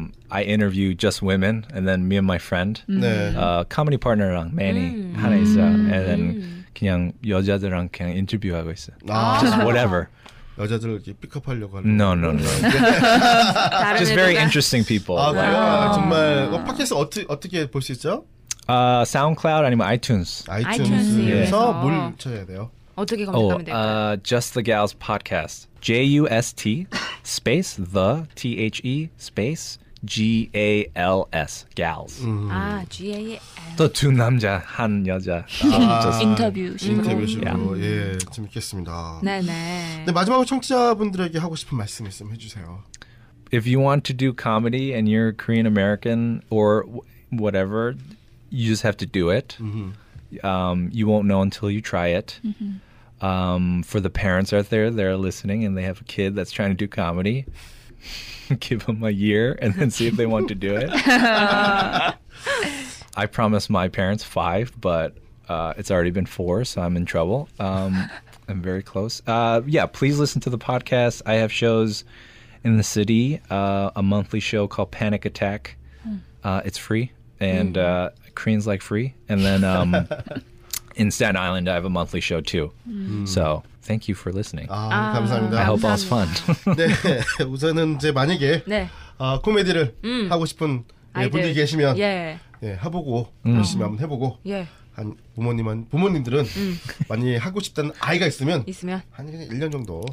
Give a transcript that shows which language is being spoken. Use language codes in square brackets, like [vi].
[en] I interview just women, and then me and my friend, comedy partner [ko] 랑 Manny 하나 있어. [en] And then [ko] 그냥 여자들랑 그냥 인터뷰하고 있어. [en] Just whatever. [ko] 여자들을 이렇게 픽업하려고 하는 [en] No. Just very interesting people. [ko] 아, 그래요? Like, 정말 팟캐스트 어떻게 볼 수 있죠? SoundCloud 아니면 iTunes. iTunes에서 뭘 쳐야 돼요? 어떻게 검색하면 될까요? [en] Just the Gals podcast. JUST space the T H E space G-A-L-S, gals. [ko] Mm. 아, G-A-L-S. 또 두 남자, 한 여자. 아, 인터뷰 식으로. 인터뷰 식으로. 예, 재밌겠습니다. 네네. 네, 마지막으로 청취자분들에게 하고 싶은 말씀 있으면 해주세요. [en] If you want to do comedy and you're Korean American or whatever, you just have to do it. You won't know until you try it. For the parents out there, they're listening and they have a kid that's trying to do comedy. Give them a year and then see if they want to do it. I promised my parents 5, but it's already been 4, so I'm in trouble. I'm very close. Yeah, please listen to the podcast. I have shows in the city, a monthly show called Panic Attack. It's free, and Koreans like free. And then in Staten Island, I have a monthly show too. So... Thank you for listening. [ko] 아, 감사합니다. [en] I hope all is fun. [ko] 네, 우선은 이제 만약에 네. 어, 코미디를 하고 싶은 예, 분들이 did. 계시면 [en] yeah. [ko] 예, 해보고 열심히 한번 해보고 [en] yeah. [ko] 한 부모님들은 만약에 하고 싶다는 아이가 있으면 있으면 한 1년 정도